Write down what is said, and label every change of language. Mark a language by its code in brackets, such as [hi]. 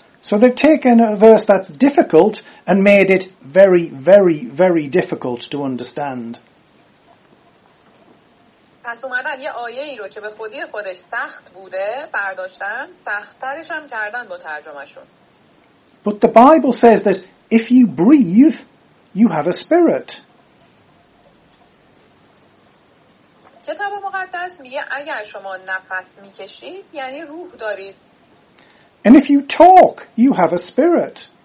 [en] So they've taken a verse that's difficult and made it very, very, very difficult to understand. [fa] پس اومدن یه آیه ای رو که به خودی خودش سخت بوده برداشتن، سخت‌ترش هم کردن با ترجمه‌شون. [en] But the Bible says that if you breathe, you have a spirit. [fa] کتاب مقدس میگه اگر شما نفس میکشید یعنی روح دارید. [en] And if you talk, you have a spirit.